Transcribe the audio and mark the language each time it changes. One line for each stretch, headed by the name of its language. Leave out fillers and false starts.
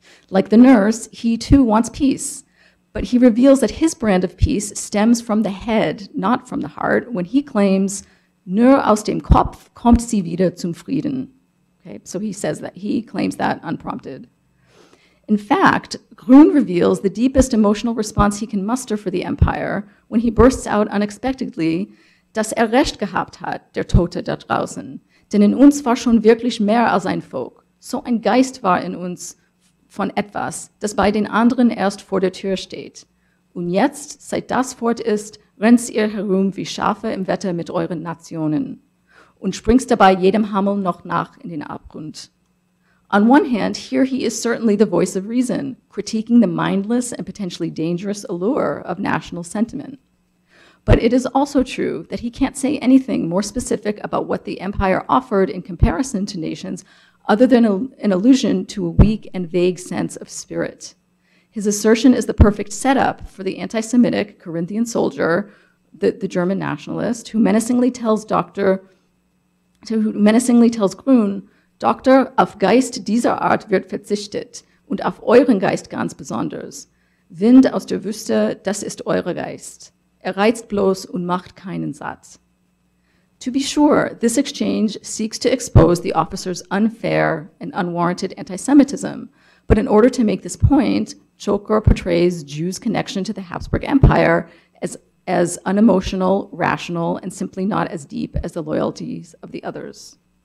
English: Like the nurse, he too wants peace, but he reveals that his brand of peace stems from the head, not from the heart, when he claims,
German: Nur aus dem Kopf kommt sie wieder zum Frieden.
English: Okay, so he says that, he claims that unprompted. In fact, Grün reveals the deepest emotional response he can muster for the empire when he bursts out unexpectedly,
German: dass recht gehabt hat, der Tote da draußen. Denn in uns war schon wirklich mehr als ein Volk. So ein Geist war in uns von etwas, das bei den anderen erst vor der Tür steht. Und jetzt, seit das fort ist, rennst ihr herum wie Schafe im Wetter mit euren Nationen und springst dabei jedem Hammel noch nach in den Abgrund.
English: On one hand, here he is certainly the voice of reason, critiquing the mindless and potentially dangerous allure of national sentiment. But it is also true that he can't say anything more specific about what the empire offered in comparison to nations other than an allusion to a weak and vague sense of spirit. His assertion is the perfect setup for the anti-Semitic Corinthian soldier, the German nationalist, who menacingly tells Grün, Doctor,
German: auf Geist dieser Art wird verzichtet und auf euren Geist ganz besonders. Wind aus der Wüste, das ist euer Geist. Reizt bloß und macht keinen Satz.
English: To be sure, this exchange seeks to expose the officer's unfair and unwarranted anti-Semitism, but in order to make this point, Choker portrays Jews' connection to the Habsburg Empire as unemotional, rational, and simply not as deep as the loyalties of the others.